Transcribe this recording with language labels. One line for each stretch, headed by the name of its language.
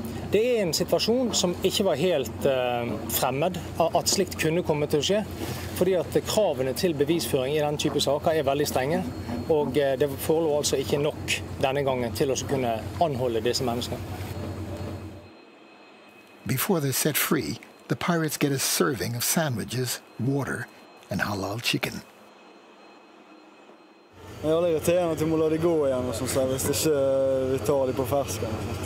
Norwegian: Det er en situasjon som ikke var helt fremmed at slikt kunne komme til å skje, fordi at kravene til bevisføring i den type saker er veldig strenge, og det forelå altså ikke nok denne gangen til å kunne anholde disse menneskene.
English: Before they're set free, the pirates get a serving of sandwiches, water and halal chicken.
Norwegian: Jeg har legger til en at vi må la dem gå igjen, hvis ikke vi tar dem på fersken.